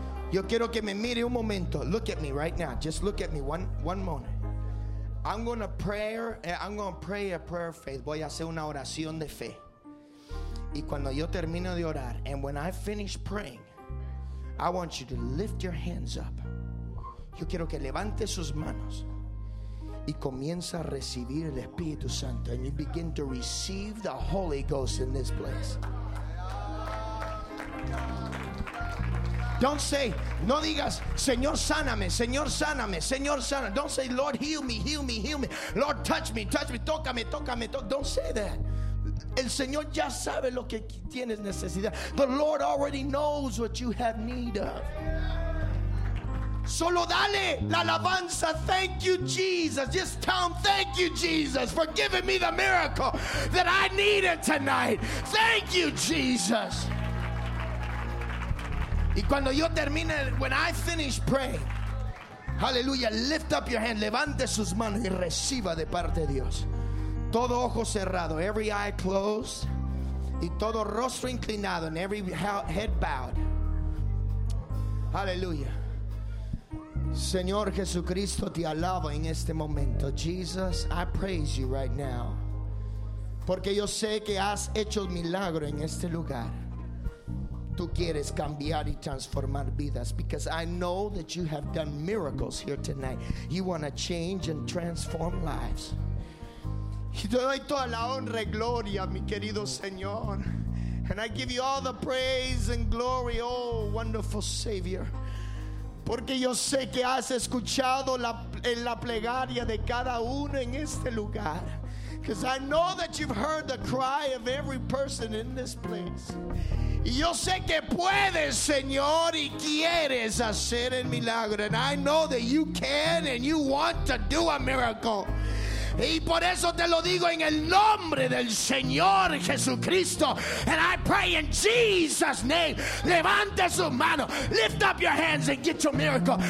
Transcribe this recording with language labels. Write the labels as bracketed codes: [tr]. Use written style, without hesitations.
[es] Yo quiero que me mire un momento. [en] Look at me right now. Just look at me one moment. I'm going to pray a prayer of faith. [es] Voy a hacer una oración de fe. Y cuando yo termino de orar, [en] and when I finish praying, I want you to lift your hands up. [es] Yo quiero que levante sus manos y comience a recibir el Espíritu Santo. [en] And you begin to receive the Holy Ghost in this place. Don't say, [es] no digas, Señor, sáname, Señor, sáname, Señor, sáname. [en] Don't say, Lord, heal me, heal me, heal me. Lord, touch me, [es] tócame, tócame, tócame. [en] Don't say that. [es] El Señor ya sabe lo que tienes necesidad. [en] The Lord already knows what you have need of. [es] Solo dale la alabanza. [en] Thank you, Jesus. Just tell him, thank you, Jesus, for giving me the miracle that I needed tonight. Thank you, Jesus. [es] Y cuando yo termine, [en] when I finish praying, hallelujah, lift up your hand, [es] levante sus manos y reciba de parte de Dios. Todo ojo cerrado, [en] every eye closed, [es] y todo rostro inclinado, [en] and every head bowed. Hallelujah. [es] Señor Jesucristo, te alabo en este momento. [en] Jesus, I praise you right now. [es] Porque yo sé que has hecho milagro en este lugar. Tú quieres cambiar y transformar vidas. [en] Because I know that you have done miracles here tonight. You want to change and transform lives. [es] Y te doy toda la honra y gloria, mi querido Señor. [en] And I give you all the praise and glory, oh wonderful Savior. [es] Porque yo sé que has escuchado la plegaria de cada uno en este lugar. [en] Because I know that you've heard the cry of every person in this place. [es] Y yo sé que puedes, Señor, y quieres hacer el milagro. [en] And I know that you can and you want to do a miracle. [es] Y por eso te lo digo en el nombre del Señor Jesucristo. [en] And I pray in Jesus' name. [es] Levante su mano. [en] Lift up your hands and get your miracle.